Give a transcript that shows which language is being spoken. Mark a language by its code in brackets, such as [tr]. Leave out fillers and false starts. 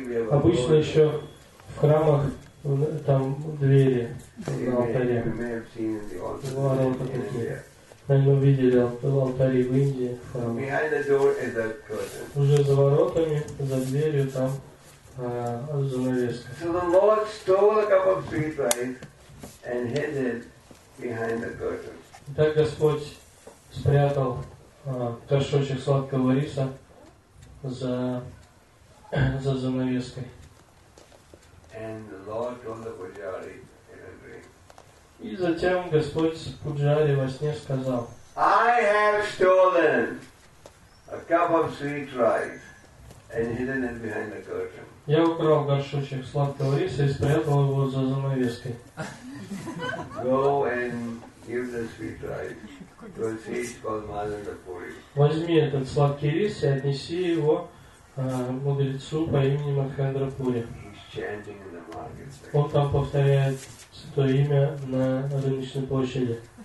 [ru] Обычно еще в храмах там двери на алтаре. Наверное, видели алтари в Индии, в храмах. Уже за воротами, за дверью там занавеска. [en] So the Lord stole a cup of sweet rice and hid it behind the curtain. [ru] Так Господь спрятал горшочек сладкого риса за за занавеской. [en] And the Lord told the Pujari in a dream. [ru] И затем Господь Пуджари во сне сказал: [en] I have stolen a cup of sweet rice and hidden it behind the curtain. [ru] Я украл горшочек сладкого риса и спрятал его за занавеской. [en] Go and give the sweet rice to a sage called Madanapuri. [ru] Возьми этот сладкий рис и отнеси его мудрецу по имени Махендрапури. [en] He's chanting in the market. [ru] Он там повторяет святое имя на рыночной площади.